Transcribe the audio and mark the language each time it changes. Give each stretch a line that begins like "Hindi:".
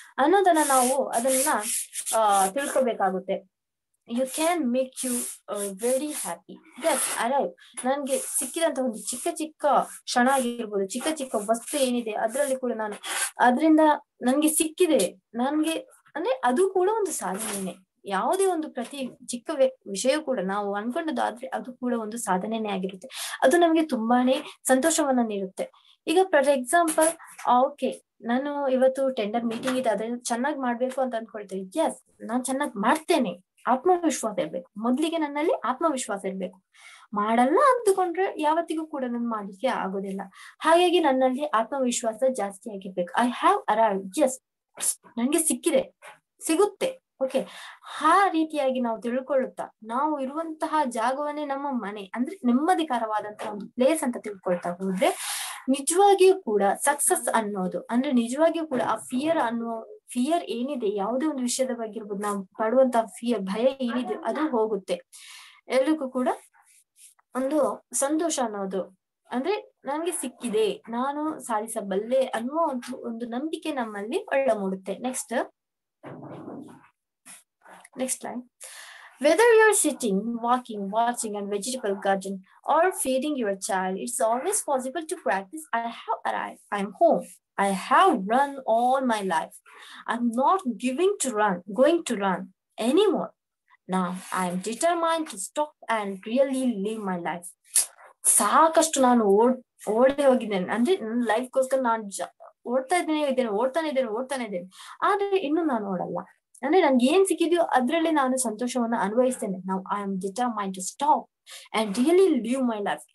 Kannada: Anodana naavu adanna tilkobekagutte.
English: You can make you very happy. Yes, arrive.
Kannada: Nange sikkidanta ondu chikka chikka kshana agirbodu chikka chikka vastu enide adralli kuda nanu ಅದರಿಂದ ನನ್ಗೆ ಸಿಕ್ಕಿದೆ ನನ್ಗೆ ಅಂದ್ರೆ ಅದು ಕೂಡ ಒಂದು ಸಾಧನೆನೆ. ಯಾವುದೇ ಒಂದು ಪ್ರತಿ ಚಿಕ್ಕ ವಿಷಯ ಕೂಡ ನಾವು ಅನ್ಕೊಂಡದ್ದು ಆದ್ರೆ ಅದು ಕೂಡ ಒಂದು ಸಾಧನೆನೆ ಆಗಿರುತ್ತೆ. ಅದು ನಮ್ಗೆ ತುಂಬಾನೇ ಸಂತೋಷವನ್ನ ನೀಡುತ್ತೆ. ಈಗ
English: for example okay
Kannada: ನಾನು ಇವತ್ತು ಟೆಂಡರ್ ಮೀಟಿಂಗ್ ಇದೆ ಅದನ್ನ ಚೆನ್ನಾಗಿ ಮಾಡ್ಬೇಕು ಅಂತ ಅನ್ಕೊಳ್ತೇವೆ. ಯಸ್ ನಾನ್ ಚೆನ್ನಾಗಿ ಮಾಡ್ತೇನೆ. ಆತ್ಮವಿಶ್ವಾಸ ಇರ್ಬೇಕು ಮೊದ್ಲಿಗೆ ನನ್ನಲ್ಲಿ ಆತ್ಮವಿಶ್ವಾಸ ಇರ್ಬೇಕು. ಮಾಡಲ್ಲ ಅಂದುಕೊಂಡ್ರೆ ಯಾವತ್ತಿಗೂ ಕೂಡ ನಾನು ಮಾಡಲಿಕ್ಕೆ ಆಗೋದಿಲ್ಲ. ಹಾಗಾಗಿ ನನ್ನಲ್ಲಿ ಆತ್ಮವಿಶ್ವಾಸ ಜಾಸ್ತಿ ಆಗಿರ್ಬೇಕು.
English: I have arrived yes
Kannada: ನನ್ಗೆ ಸಿಕ್ಕಿದೆ ಸಿಗುತ್ತೆ ಓಕೆ. ಆ ರೀತಿಯಾಗಿ ನಾವು ತಿಳ್ಕೊಳ್ಳುತ್ತಾ ನಾವು ಇರುವಂತಹ ಜಾಗವನ್ನೇ ನಮ್ಮ ಮನೆ ಅಂದ್ರೆ ನೆಮ್ಮದಿಕರವಾದಂತಹ ಒಂದು ಪ್ಲೇಸ್ ಅಂತ ತಿಳ್ಕೊಳ್ತಾ ಹೋದ್ರೆ ನಿಜವಾಗಿಯೂ ಕೂಡ ಸಕ್ಸಸ್ ಅನ್ನೋದು ಅಂದ್ರೆ ನಿಜವಾಗಿಯೂ ಕೂಡ ಆ ಫಿಯರ್ ಅನ್ನುವ ಫಿಯರ್ ಏನಿದೆ ಯಾವುದೇ ಒಂದು ವಿಷಯದ ಬಗ್ಗೆ ಇರ್ಬೋದು ನಾವು ಪಡುವಂತಹ ಫಿಯರ್ ಭಯ ಏನಿದೆ ಅದು ಹೋಗುತ್ತೆ. ಎಲ್ಲಕ್ಕೂ ಕೂಡ ಒಂದು ಸಂತೋಷ ಅನ್ನೋದು ಅಂದ್ರೆ ನನ್ಗೆ ಸಿಕ್ಕಿದೆ ನಾನು ಸಾಧಿಸಬಲ್ಲೆ ಅನ್ನುವ ಒಂದು ನಂಬಿಕೆ ನಮ್ಮಲ್ಲಿ ಒಳ್ಳ ಮೂಡುತ್ತೆ.
English: Next line. Whether you're sitting, walking, watching a vegetable garden or feeding your child, it's always possible to practice I have arrived, I'm home. I have run all my life. I'm not going to run anymore. Now I'm determined to stop and really live my life.
Kannada: ಸಾಕಷ್ಟು ನಾನು ಓಡೇ ಹೋಗಿದ್ದೇನೆ ಅಂದ್ರೆ ನನ್ನ ಲೈಫ್ಗೋಸ್ಕರ ನಾನು ಓಡ್ತಾ ಇದ್ದೇನೆ. ಆದ್ರೆ ಇನ್ನು ನಾನು ಓಡಲ್ಲ ಅಂದ್ರೆ ನನ್ಗೆ ಏನ್ ಸಿಕ್ಕಿದೆಯೋ ಅದ್ರಲ್ಲಿ ನಾನು ಸಂತೋಷವನ್ನು ಅನ್ವಯಿಸ್ತೇನೆ. ನಾವು
English: I am determine to stop and really live my life.